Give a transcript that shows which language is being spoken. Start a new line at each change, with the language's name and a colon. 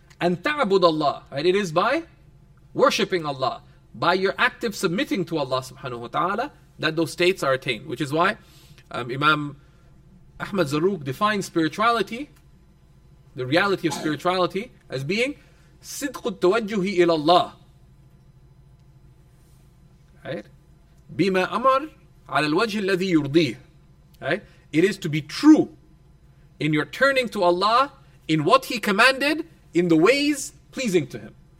English: And ta'bud Allah, right? It is by worshipping Allah, by your active submitting to Allah subhanahu wa ta'ala, that those states are attained. Which is why Imam Ahmad Zarruq defines spirituality, the reality of spirituality, as being
Arabic: صدق التوجه إلى الله.
English: Right?
Arabic: بما أمر على الوجه الذي يرضيه.
English: Right? It is to be true in your turning to Allah, in what He commanded, in the ways pleasing to Him.